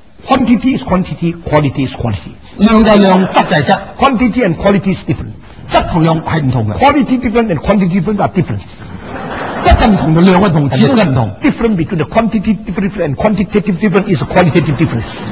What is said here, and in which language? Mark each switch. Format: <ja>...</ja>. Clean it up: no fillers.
<en>Quantity is quantity, quality is quality。</en> <yue>量就量，质就系质。</yue> <en>Quantity and quality is different，</en> <yue>质同量系唔同嘅。</yue> <en>Quality different and quantity different are different。</en> <yue>质系唔同，量系唔同，始终系唔同。</yue> <en>Different between the quantity different and quantitative different is a qualitative difference。</en>